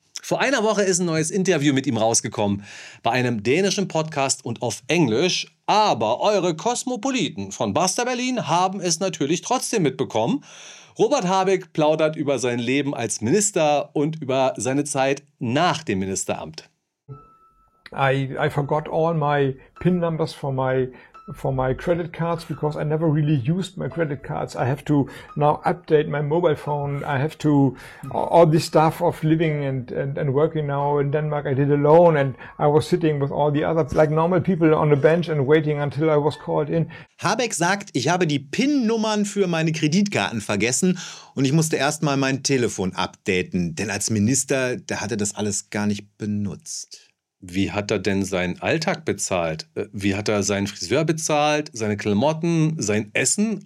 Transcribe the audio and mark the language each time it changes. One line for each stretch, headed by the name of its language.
German: Vor einer Woche ist ein neues Interview mit ihm rausgekommen, bei einem dänischen Podcast und auf Englisch. Aber eure Kosmopoliten von Buster Berlin haben es natürlich trotzdem mitbekommen. Robert Habeck plaudert über sein Leben als Minister und über seine Zeit nach dem Ministeramt.
English: I forgot all my PIN numbers for my credit cards, because I never really used my credit cards. I have to now update my mobile phone. I have to all this stuff of living and working now in Denmark. I did alone and I was sitting with all the other like normal people on the bench and waiting until I was called in.
German: Habeck sagt, ich habe die PIN-Nummern für meine Kreditkarten vergessen und ich musste erst mal mein Telefon updaten, denn als Minister, der hatte das alles gar nicht benutzt. wie hat er denn seinen Alltag bezahlt? Wie hat er seinen Friseur bezahlt, seine Klamotten, sein Essen?